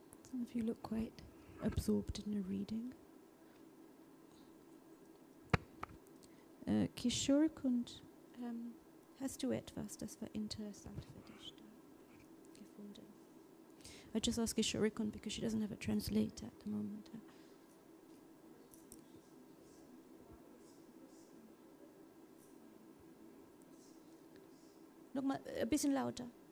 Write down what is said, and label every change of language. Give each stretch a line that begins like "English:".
English: Some of you look quite absorbed in the reading.
German: Kishorekund hast du etwas, das war interessant für dich da gefunden.
English: I just asked Kishorekund because she doesn't have a translator at the moment.
German: Noch mal ein bisschen lauter.